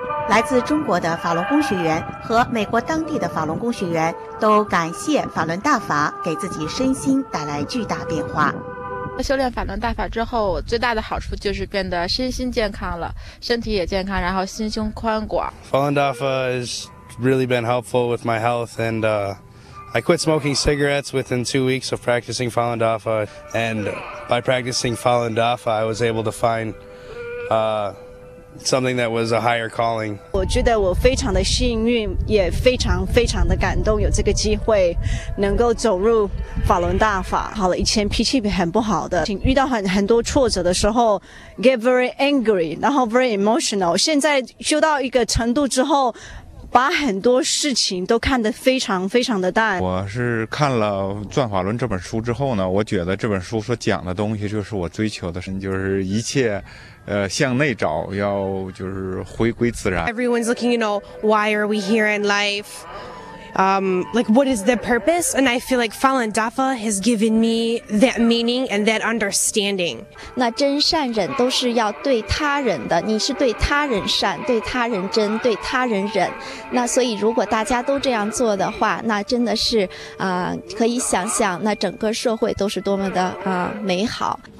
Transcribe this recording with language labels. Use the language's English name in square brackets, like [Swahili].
[Chinese] 来自中国的法轮功学员和美国当地的法轮功学员都感谢法轮大法给自己身心带来巨大变化。修炼法轮大法之后，我最大的好处就是变得身心健康了，身体也健康，然后心胸宽广。 [English] 法轮大法 has really been helpful with my health, and I quit smoking cigarettes within 2 weeks of practicing法轮大法. And by practicing 法轮大法, I was able to find something that was a higher calling. [Chinese] 我觉得我非常的幸运，也非常非常的感动，有这个机会能够走入法轮大法。好了，以前脾气很不好的，遇到很多挫折的时候 [English] get very angry, [Chinese] 然后 [English] very emotional. [Chinese] 现在修到一个程度之后，把很多事情都看得非常非常的淡。我是看了《转法轮》这本书之后呢，我觉得这本书所讲的东西就是我追求的，就是一切向内找，要就是回归自然。 [English] Everyone's looking, you know, why are we here in life? Like, what is the purpose? And I feel like Falun Dafa has given me that meaning and that understanding. [Chinese] 那真善忍都是要对他人的，你是对他人善，对他人真，对他人忍。那所以如果大家都这样做的话，那真的是可以想象那整个社会都是多么的美好。